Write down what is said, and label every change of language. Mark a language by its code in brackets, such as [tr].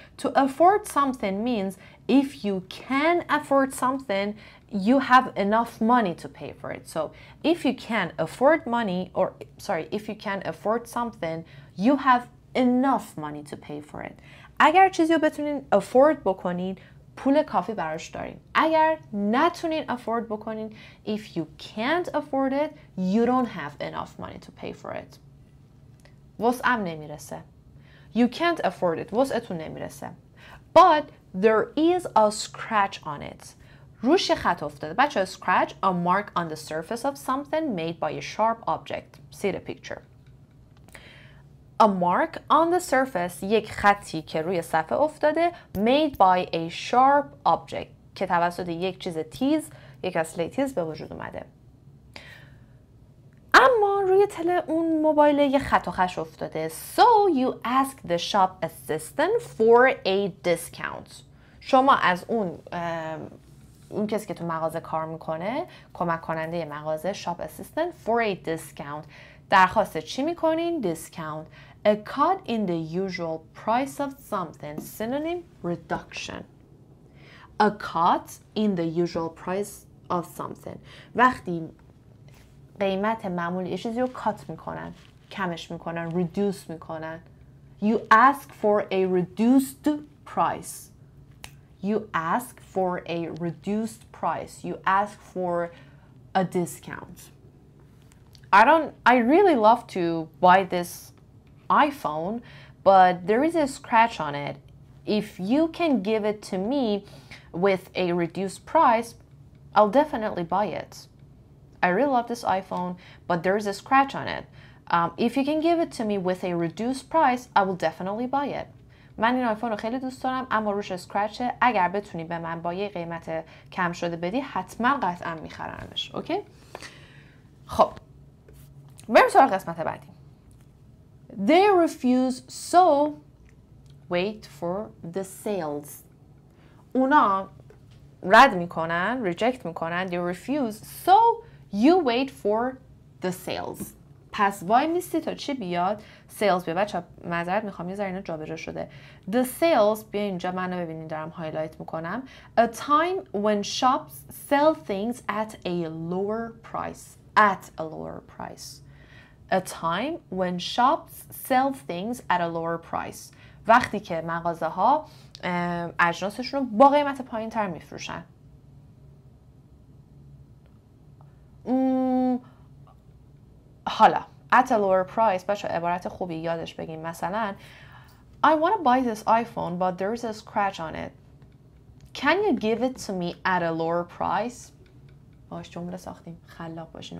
[en] To afford something means if you can afford something, you have enough money to pay for it. So if you can afford money or sorry, if you can afford something, you have enough money to pay for it. [fa] اگر چیزی رو بتونین afford بکنین، پول کافی براش دارین. اگر نتونین افورد بکنین، [en] if you can't afford it, you don't have enough money to pay for it. [fa] وسعم نمیرسه. [en] You can't afford it. [fa] وسعتون نمیرسه. [en] But there is a scratch on it. [fa] روش خط افتاده. [en] بچه ها scratch, a mark on the surface of something made by a sharp object. See the picture. A mark on the surface, [fa] یک خطی که روی صفحه افتاده، [en] made by a sharp object [fa] که توسط یک چیز تیز، یک اسلحه تیز به وجود اومده. اما روی اون موبایل یک خط و خش افتاده. [en] So you ask the shop assistant for a discount. [fa] شما از اون کسی که تو مغازه کار میکنه، کمک کننده مغازه، [en] shop assistant for a discount، [fa] درخواست چی میکنین؟ discount. [en] A cut in the usual price of something. Synonym, reduction. A cut in the usual price of something. [fa] وقتی قیمت معمولی یه چیزی رو cut میکنن، کمش میکنن، reduce میکنن. [en] You ask for a reduced price. You ask for a reduced price. You ask for a discount. I really love to buy this iPhone, but there is a scratch on it. If you can give it to me with a reduced price, I'll definitely buy it. I really love this iPhone, but there is a scratch on it. If you can give it to me with a reduced price, I will definitely buy it. [fa] من این آیفون رو خیلی دوست دارم اما روش اسکرچه. اگر بتونی به من با یه قیمت کم شده بدی حتما قطعا میخرمش. اوکی؟ خب بریم سراغ قسمت بعدی. [en] They refuse, so wait for the sales. [fa] اونا رد میکنن، ریجکت میکنن. [en] They refuse, so you wait for the sales. [fa] پس وای میستی تا چی بیاد؟ سیلز بیاد. بچه مذارت میخوام یه ذره اینو جابجا شده. The sales، بیا اینجا منو ببینید دارم هایلایت میکنم. [en] A time when shops sell things at a lower price. At a lower price. A time when shops sell things at a lower price. [fa] وقتی که مغازه ها اجناسشون رو با قیمت پایین تر میفروشن. حالا [en] at a lower price [fa] بچه عبارت خوبی یادش بگیم. [en] مثلا I want to buy this iPhone but there is a scratch on it. Can you give it to me at a lower price? [fa] باش جمله ساختیم، خلاق باشین.